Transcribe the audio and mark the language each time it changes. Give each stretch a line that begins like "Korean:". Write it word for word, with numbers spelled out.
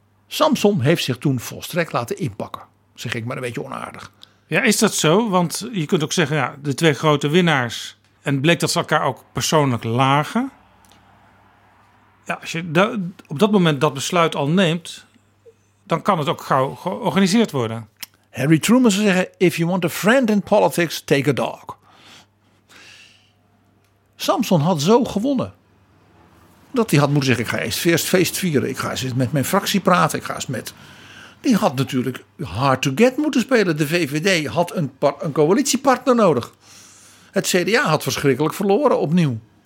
Dutch: Samsom heeft zich toen volstrekt laten inpakken. Zeg ik maar een beetje onaardig. Ja, is dat zo? Want je kunt ook zeggen, ja, de twee grote winnaars... en bleek dat ze elkaar ook persoonlijk lagen. Ja, als je da- op dat moment dat besluit al neemt... dan kan het ook gauw georganiseerd worden. Harry Truman zou zeggen...
English: if you want a friend in politics, take a dog.
Dutch: Samsom had zo gewonnen... dat hij had moeten zeggen, ik ga eerst eerst feest vieren. Ik ga eens met mijn fractie praten. Ik ga eens met... Die had natuurlijk
English: hard to get
Dutch: moeten spelen. De V V D had een, par- een coalitiepartner nodig. Het C D A had verschrikkelijk verloren opnieuw.